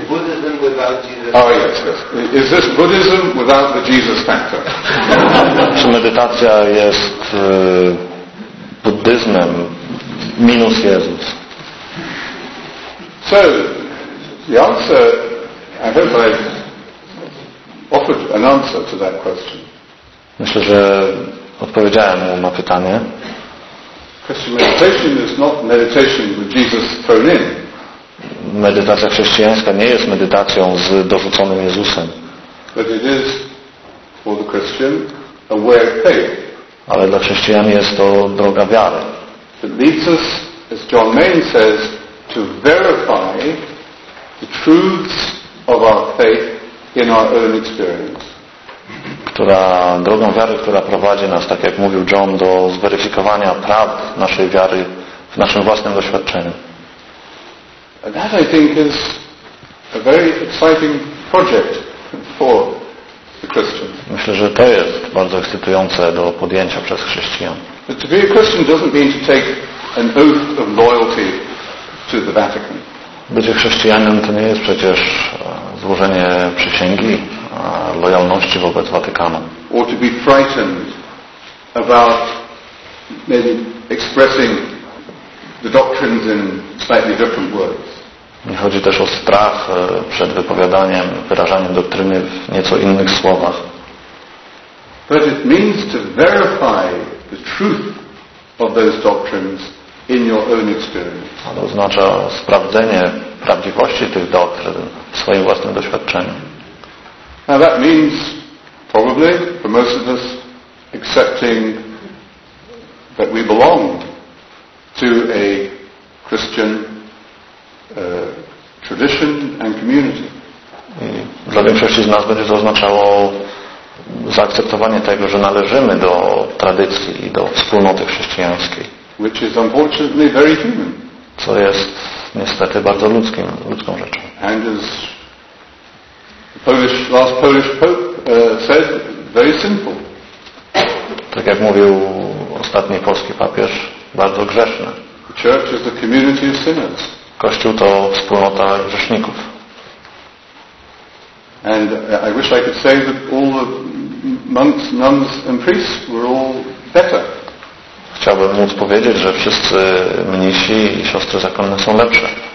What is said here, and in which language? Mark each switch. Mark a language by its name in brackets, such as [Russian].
[English] Is this Buddhism without the Jesus factor? Oh yes, yes. Is this Buddhism without the Jesus factor? [Polish] Czy medytacja jest buddyzmem minus Jezus? [English] So, the answer, I hope I offered an answer to that question. [Polish] Myślę, że odpowiedziałem mu na pytanie. [English] Christian meditation is not meditation with Jesus thrown in. [Polish] Medytacja chrześcijańska nie jest medytacją z dorzuconym Jezusem. [English] But it is For the Christian, a way of faith. [Polish] Ale dla chrześcijan jest to droga wiary. [English] It leads us, as John Maine says, to verify the truths of our faith in our own experience. [Polish] Która drogą wiary, która prowadzi nas, tak jak mówił John, do zweryfikowania prawd naszej wiary w naszym własnym doświadczeniu. [English] And that, I think, is a very exciting project for the Christian. [Polish] Myślę, że to jest bardzo ekscytujące do podjęcia przez chrześcijan. [English] But to be a Christian doesn't mean to take an oath of loyalty to the Vatican. [Polish] Bycie chrześcijanem to nie jest przecież złożenie przysięgi lojalności wobec Watykanu. [English] Or to be frightened about maybe expressing the doctrines in slightly different words. [Polish] Nie chodzi też o strach przed wypowiadaniem, wyrażaniem doktryny w nieco innych słowach. [English] But it means to verify the truth of those doctrines in your own experience. [Polish] Ale oznacza sprawdzenie prawdziwości tych doktryn w swoim własnym doświadczeniu. [English] Now that means probably for most of us accepting that we belong to a Christian tradition and community. [Polish] Dla większości z nas będzie to oznaczało zaakceptowanie tego, że należymy do tradycji i do wspólnoty chrześcijańskiej. [English] Which is unfortunately very human. [Polish] Co jest niestety bardzo ludzką rzeczą. [English] And as the last Polish pope said, very simple. [Polish] Tak jak mówił ostatni polski papież, bardzo grzeszne. [English] The church is the community of sinners. [Polish] Kościół to wspólnota grzeszników. [English] And I wish I could say that all the monks, nuns and priests were all better. [Polish] Chciałbym móc powiedzieć, że wszyscy mnisi i siostry zakonne są lepsze.